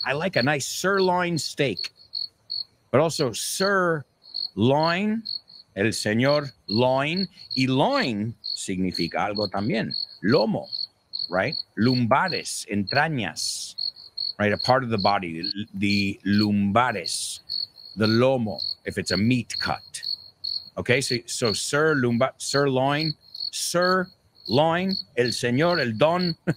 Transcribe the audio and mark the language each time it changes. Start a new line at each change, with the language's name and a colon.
English: I like a nice sirloin steak. But also sirloin.
Spanish: el señor loin, y loin significa algo también, lomo, right? Lumbares, entrañas,
English: right? A part of the body, the lumbares, the lomo, if it's a meat cut. Okay, so sir lumba, sir loin,
Spanish: el señor, el don.